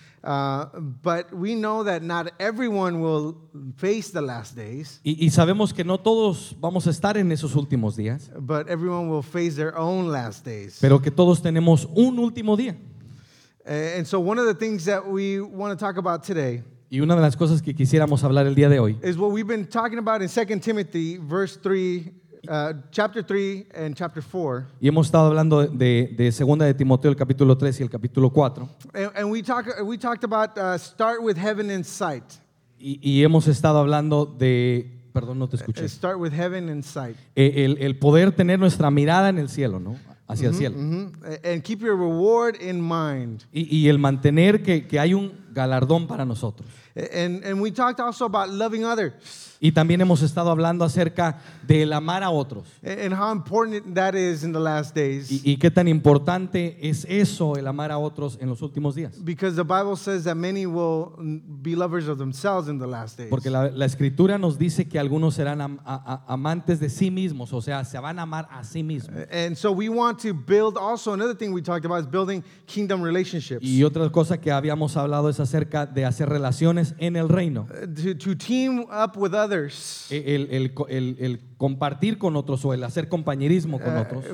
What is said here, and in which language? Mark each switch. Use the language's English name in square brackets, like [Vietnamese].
[English] But we know that not everyone will face the last days. [Spanish] Y sabemos que no todos vamos a estar en esos últimos días. [English] But everyone will face their own last days. [Spanish] Pero que todos tenemos un último día. [English] And so one of the things that we want to talk about today. [Spanish] Y una de las cosas que quisiéramos hablar el día de hoy. [English] Is what we've been talking about in 2 Timothy verse 3, chapter 3 and chapter 4. [Spanish] Y hemos estado hablando de 2 de Timoteo el capítulo 3 y el capítulo 4. [English] And we talked about start with heaven in sight. [Spanish] Y hemos estado hablando de, perdón, no te escuché. [English] Start with heaven in sight. [Spanish] El poder tener nuestra mirada en el cielo, ¿no? Hacia el cielo. [English] Mm-hmm. And keep your reward in mind. [Spanish] Y el mantener que hay un galardón para nosotros. [English] And we talked also about loving others. [Spanish] Y también hemos estado hablando acerca del amar a otros. [English] And how important that is in the last days. [Spanish] Y qué tan importante es eso, el amar a otros en los últimos días. [English] Because the Bible says that many will be lovers of themselves in the last days. [Spanish] Porque la escritura nos dice que algunos serán amantes de sí mismos, o sea, se van a amar a sí mismos. [English] And so we want to build also another thing we talked about is building kingdom relationships. [Spanish] Y otra cosa que habíamos hablado es acerca de hacer relaciones en el reino. [English] To team up with others. [Spanish] El compartir con otros o el hacer compañerismo con otros.